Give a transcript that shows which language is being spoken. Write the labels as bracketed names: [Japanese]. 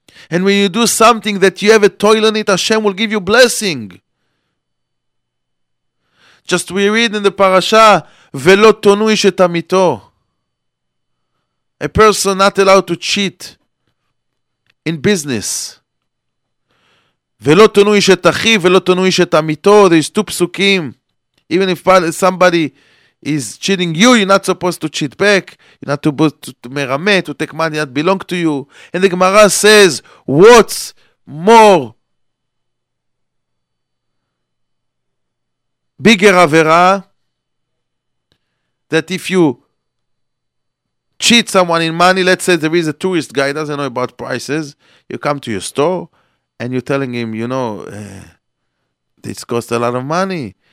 [English] And when you do something that you have a toil in it, Hashem will give you blessing. Just we read in the parasha, [Hebrew] Velo tonu ish et amito. [English] A person not allowed to cheat in business. [Hebrew] ולא תנו איש את אחי ולא תנו איש את עמיתו. [English] There's two פסוקים. Even if somebody is cheating you, you're not supposed to cheat back. You're not to מרמה, to take money that belong to you. And the Gemara says, what's more bigger עבירה, that if you cheat someone in money, let's say there is a tourist guy, doesn't know about prices, you come to your store, and you're telling him, you know, this costs a lot of money.